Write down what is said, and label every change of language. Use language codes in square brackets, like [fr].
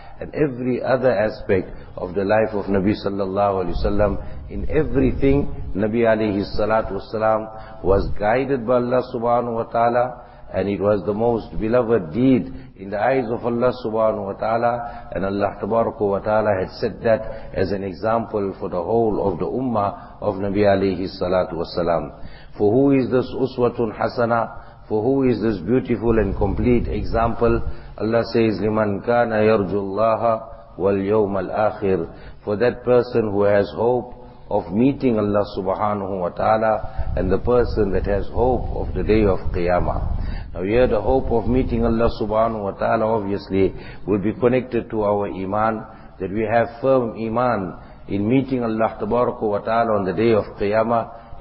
[en] and every other aspect of the life of Nabi sallallahu alayhi wa sallam, in everything, Nabi alayhi salatu wa sallam was guided by Allah subhanahu wa ta'ala, and it was the most beloved deed in the eyes of Allah subhanahu wa ta'ala, and Allah tabaraka wa ta'ala had set that as an example for the whole of the ummah of Nabi alayhi salatu wa sallam. For who is this uswatun hasana? For who is this beautiful and complete example? Allah says, [ar] لِمَنْ كَانَ يَرْجُ اللَّهَ وَالْيَوْمَ الْآخِرِ. [en] For that person who has hope of meeting Allah subhanahu wa ta'ala, and the person that has hope of the day of Qiyamah. Now here the hope of meeting Allah subhanahu wa ta'ala obviously will be connected to our iman, that we have firm iman in meeting Allah tabaraka wa ta'ala on the day of Qiyamah.